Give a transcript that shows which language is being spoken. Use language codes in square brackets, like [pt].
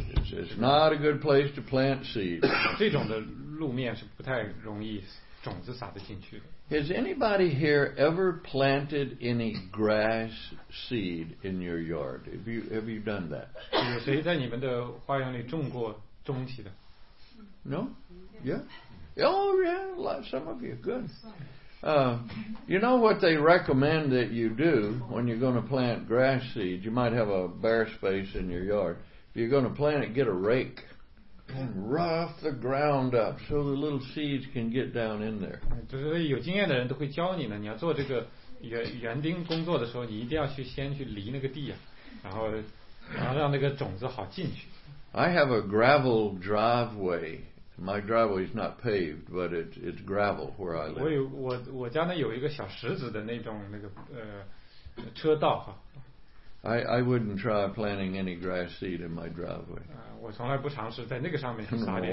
[en] It's not a good place to plant seed. [zh] 这种的路面是不太容易种子撒得进去的。 [en] Has anybody here ever planted any grass seed in your yard? Have you done that? [zh] 有谁在你们的花园里种过种子的 [en] ？No. Yeah. Oh yeah. Some of you. Good. You know what they recommend that you do when you're going to plant grass seeds? You might have a bare space in your yard. If you're going to plant it, get a rake and rough the ground up so the little seeds can get down in there. [zh] 就是有经验的人都会教你呢，你要做这个园丁工作的时候，你一定要去先去犁那个地啊，然后让那个种子好进去。 [en] I have a gravel driveway. My driveway is not paved, but it's gravel where I live. [zh] 我家呢有一个小石子的那种那个车道哈。 [en] I wouldn't try planting any grass seed in my driveway. [zh] 我从来不尝试在那个上面撒点。